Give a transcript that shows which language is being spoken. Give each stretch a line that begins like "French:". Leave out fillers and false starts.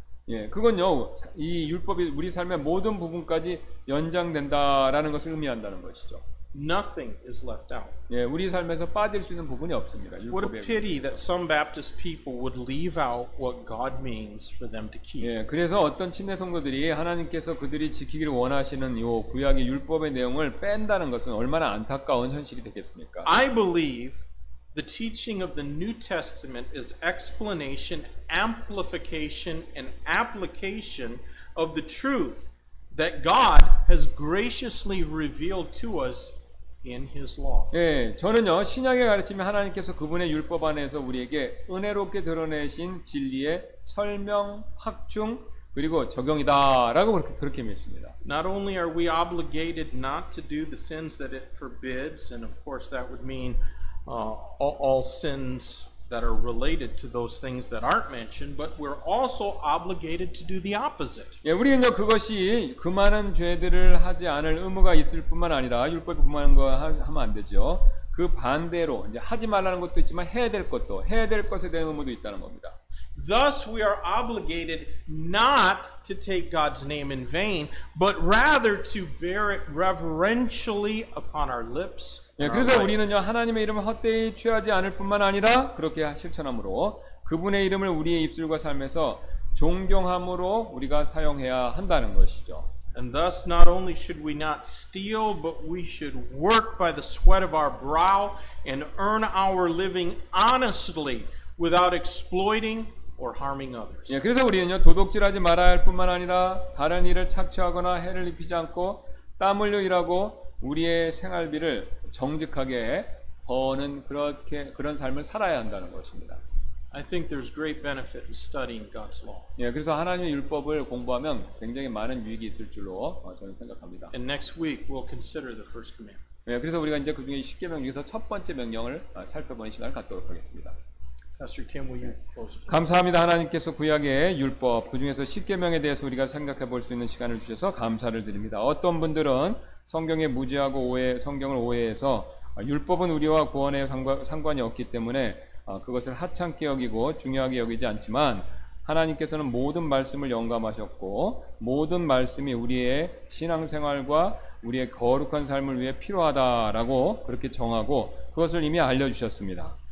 Korean: 예, 그건요. 이 율법이 우리 삶의 모든 부분까지 연장된다라는 것을 의미한다는 것이죠.
English: Nothing is left out.
Korean: 예, 우리 삶에서 빠질 수 있는 부분이 없습니다.
English: What a pity that some Baptist people would leave out what God means for them to keep.
Korean: 예, 그래서 어떤 침례 성도들이 하나님께서 그들이 지키기를 원하시는 요 구약의 율법의 내용을 뺀다는 것은 얼마나 안타까운 현실이 되겠습니까?
English: I believe the teaching of the New Testament is explanation, amplification, and application of the truth that God has graciously revealed to us in His law.
Korean: 예, 저는요 신약의 가르침이 하나님께서 그분의 율법 안에서 우리에게 은혜롭게 드러내신 진리의 설명, 확증 그리고 적용이다라고 그렇게 믿습니다.
English: Not only are we obligated not to do the sins that it forbids, and of course that would mean all sins that are related to those things that aren't mentioned, but we're also obligated to do the opposite.
Korean: 예, 우리는요 그것이 그 많은 죄들을 하지 않을 의무가 있을 뿐만 아니라 율법이 그만한 거 하면 안 되죠. 그 반대로 이제 하지 말라는 것도 있지만 해야 될 것도 해야 될 것에 대한 의무도 있다는 겁니다.
English: Thus, we are obligated not to take God's name in vain, but rather to bear it reverentially upon our lips.
Korean: 예, 그래서 우리는요 하나님의 이름을 헛되이 취하지 않을 뿐만 아니라 그렇게 실천함으로 그분의 이름을 우리의 입술과 삶에서 존경함으로 우리가 사용해야 한다는 것이죠.
English: And thus, not only should we not steal, but we should work by the sweat of our brow and earn our living honestly without exploiting or harming others.
Korean: 예, 그래서 우리는요 도둑질하지 말아야 할 뿐만 아니라 다른 일을 착취하거나 해를 입히지 않고 땀 흘려 일하고 우리의 생활비를 정직하게 버는 그렇게 그런 삶을 살아야 한다는 것입니다.
English: I think there's great benefit in studying God's law.
Korean: 예, 그래서 하나님의 율법을 공부하면 굉장히 많은 유익이 있을 줄로 저는 생각합니다.
English: And next week we'll consider the first command.
Korean: 예, 그래서 우리가 이제 그 중에 10계명 중에서 첫 번째 명령을 살펴보는 시간을 갖도록 하겠습니다.
English: Pastor Kim, will you close?
Korean: 감사합니다. 하나님께서 구약의 율법 그 중에서 10계명에 대해서 우리가 생각해 볼 수 있는 시간을 주셔서 감사를 드립니다. 어떤 분들은 성경에 무지하고 오해, 성경을 오해해서 율법은 우리와 구원에 상관이 없기 때문에 그것을 하찮게 여기고 중요하게 여기지 않지만 하나님께서는 모든 말씀을 영감하셨고 모든 말씀이 우리의 신앙생활과 우리의 거룩한 삶을 위해 필요하다라고 그렇게 정하고 그것을 이미 알려주셨습니다.